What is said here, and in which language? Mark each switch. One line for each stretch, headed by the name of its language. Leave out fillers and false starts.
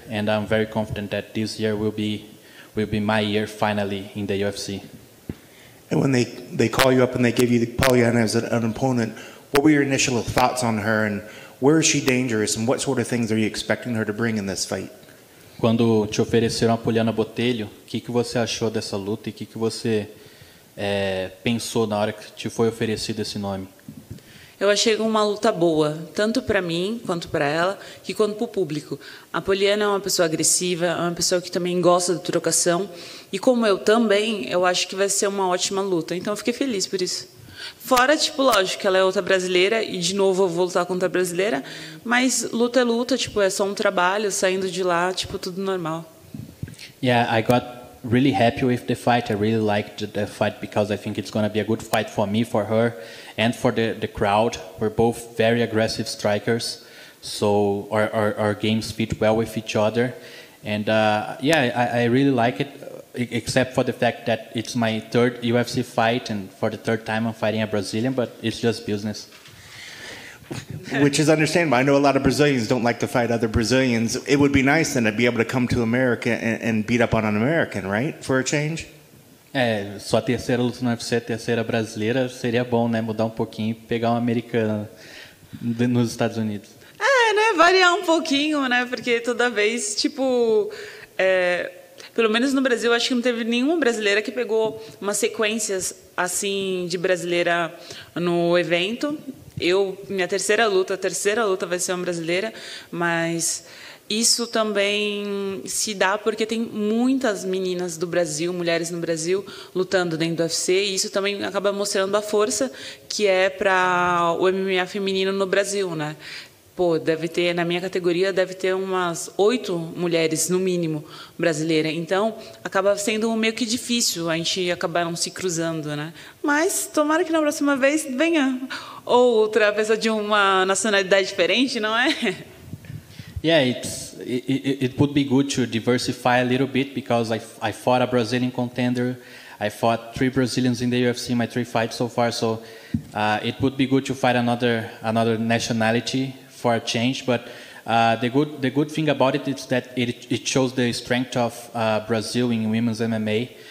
English: And I'm very confident that this year will be my year finally in the UFC. And when they call you up and they give you Pollyanna as an opponent, what were your initial thoughts on her, and where is she dangerous, and what sort of things are you expecting her to bring in this fight?
Portuguese: Quando te ofereceram a Pollyanna Botelho, o que você achou dessa luta e o que você pensou na hora que te foi oferecido esse nome? Eu achei uma luta boa, tanto para mim, quanto para ela, e quanto para o público. A Pollyanna é uma pessoa agressiva, é uma pessoa que também gosta de trocação, e como eu também, eu acho que vai ser uma ótima luta. Então, eu fiquei feliz por isso. Fora, tipo, lógico que ela é outra brasileira, e de novo eu vou lutar contra a brasileira, mas luta é luta, tipo, é só um trabalho, saindo de lá, tipo, tudo normal.
English: Yeah, I got really happy with the fight. I really liked the fight because I think it's going to be a good fight for me, for her, and for the crowd. We're both very aggressive strikers, so our games fit well with each other. And I really like it, except for the fact that it's my third UFC fight, and for the third time I'm fighting a Brazilian, but it's just business. Which is understandable. I know a lot of Brazilians don't like to fight other Brazilians. It would be nice then to be able to come to America and beat up on an American, right? For a change?
Portuguese: É, sua terceira luta no UFC, terceira brasileira, seria bom, né? Mudar um pouquinho e pegar uma americana nos Estados Unidos. É, né? Variar um pouquinho, né? Porque toda vez, tipo... pelo menos no Brasil, acho que não teve nenhuma brasileira que pegou umas sequências assim de brasileira no evento. Eu, minha terceira luta, a terceira luta vai ser uma brasileira, mas isso também se dá porque tem muitas meninas do Brasil, mulheres no Brasil, lutando dentro do UFC, e isso também acaba mostrando a força que é para o MMA feminino no Brasil, né? Pô, deve ter, na minha categoria, deve ter umas 8 mulheres, no mínimo, brasileiras. Então, acaba sendo meio que difícil a gente acabar não se cruzando, né? Mas, tomara que na próxima vez venha outra pessoa de uma nacionalidade diferente, não é?
English: Yeah, it would be good to diversify a little bit, because I fought a Brazilian contender. I fought 3 Brazilians in the UFC, my 3 fights so far. So, it would be good to fight another nationality for a change, but the good thing about it is that it shows the strength of Brazil in women's MMA.